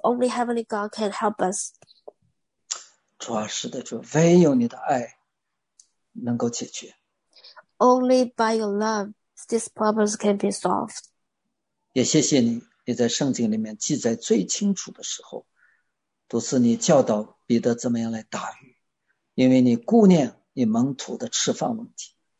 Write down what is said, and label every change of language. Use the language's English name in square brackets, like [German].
[English] Only Heavenly God can help us. [Chinese] 主啊，是的，主，唯有你的爱能够解决。 [English] Only by your love, these problems can be solved. [Chinese] 也谢谢你，你在圣经里面记载最清楚的时候，都是你教导彼得怎么样来打鱼，因为你顾念你门徒的吃饭问题。